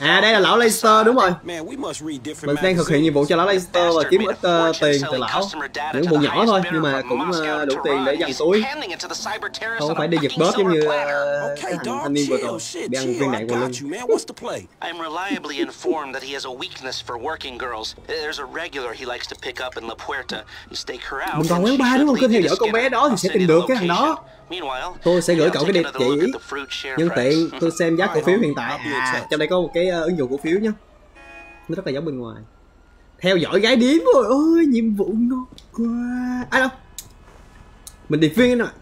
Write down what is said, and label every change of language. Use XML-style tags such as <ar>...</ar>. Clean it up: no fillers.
<vi>À đây là lão Leicester đúng rồi. Mình đang thực hiện nhiệm vụ cho lão Leicester và kiếm ít tiền từ lão. Những bộ nhỏ thôi nhưng mà cũng đủ tiền để dành túi. Không phải đi giật bóp giống như anh niên vừa rồi bị ăn viên đạn vào lưng.</vi> <en>I'm reliably informed that he has a weakness for working girls. There's a regular he likes to pick up in La Puerta. Stake her out.</en> <vi>Mình còn quán bar nếu mà cứ theo dõi con bé đó thì sẽ tìm được cái thằng đó. Tôi sẽ gửi cậu cái địa chỉ. Nhân tiện tôi xem giá cổ phiếu hiện tại. Trong đây có một cái ứng dụng cổ phiếu nhá. Nó rất là giống bên ngoài. Theo dõi gái điếm rồi. Ôi nhiệm vụ ngon quá. À đâu. Mình điệp viên rồi.</vi>